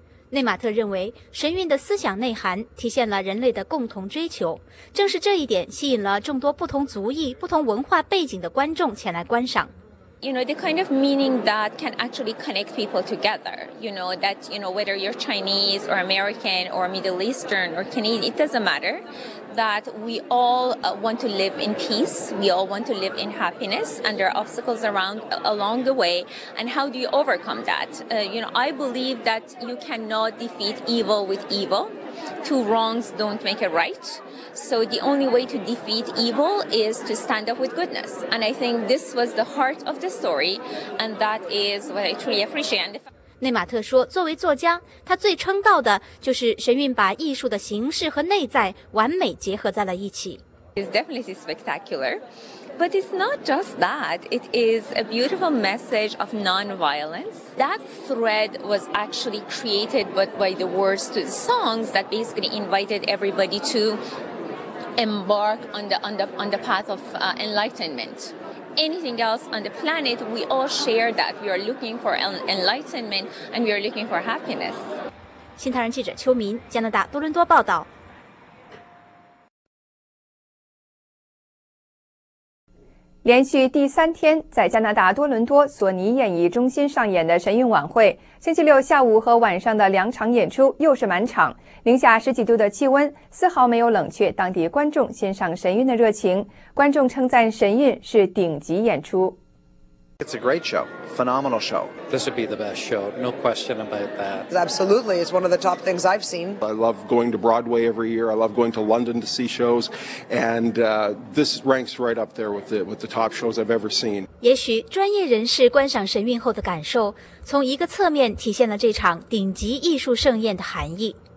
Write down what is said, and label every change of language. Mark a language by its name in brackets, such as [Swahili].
[Chinese] 内马特认为，神韵的思想内涵体现了人类的共同追求。正是这一点吸引了众多不同族裔、不同文化背景的观众前来观赏。 [English] You know, the kind of meaning that can actually connect people together. You know, that, you know, whether you're Chinese or American or Middle Eastern or Canadian, it doesn't matter. That we all want to live in peace. We all want to live in happiness. And there are obstacles around along the way. And how do you overcome that? You know, I believe that you cannot defeat evil with evil. Two wrongs don't make a right. So the only way to defeat evil is to stand up with goodness. And I think this was the heart of the story, and that is what I truly appreciate. [Chinese] 内马特说，作为作家，他最称道的就是神韵把艺术的形式和内在完美结合在了一起。 [English] It's definitely spectacular, but it's not just that. It is a beautiful message of non-violence. That thread was actually created by the words to the songs that basically invited everybody to... embark on the path of enlightenment. Anything else on the planet, we all share that. We are looking for enlightenment and we are looking for happiness. [Chinese] 新唐人记者邱明，加拿大多伦多报道。连续第三天在加拿大多伦多索尼演艺中心上演的神韵晚会，星期六下午和晚上的两场演出又是满场，零下十几度的气温丝毫没有冷却当地观众欣赏神韵的热情，观众称赞神韵是顶级演出。 [English] It's a great show, phenomenal show. This would be the best show, no question about that. Absolutely, it's one of the top things I've seen. I love going to Broadway every year, I love going to London to see shows, and this ranks right up there with the top shows I've ever seen. [Chinese] 也许专业人士观赏神韵后的感受，从一个侧面体现了这场顶级艺术盛宴的含义。